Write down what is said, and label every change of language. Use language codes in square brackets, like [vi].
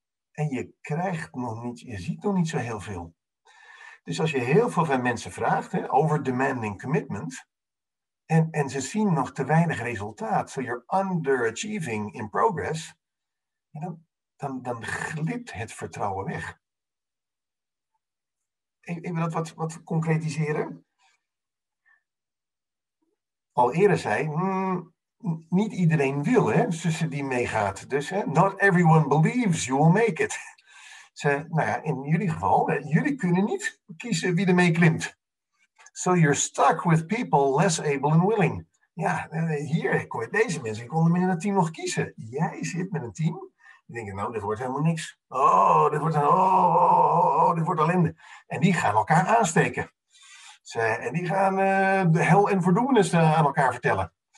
[nl] En je krijgt nog niet, je ziet nog niet zo heel veel. Dus als je heel veel van mensen vraagt, hè, [en] over demanding commitment, [nl] en ze zien nog te weinig resultaat, [en] so you're underachieving in progress, [nl] dan glipt het vertrouwen weg. Even dat wat concretiseren. Al eerder zei, niet iedereen wil, hè, tussen die meegaat. Dus hè, [en] not everyone believes you will make it. [nl] Ze, nou ja, in jullie geval, hè, jullie kunnen niet kiezen wie er mee klimt. [en] So you're stuck with people less able and willing. [nl] Ja, hier, deze mensen konden met een team nog kiezen. Jij zit met een team. Die denken, nou, dit wordt helemaal niks. Dit wordt ellende. En die gaan elkaar aansteken. En die gaan de hel en verdoemenis aan elkaar vertellen.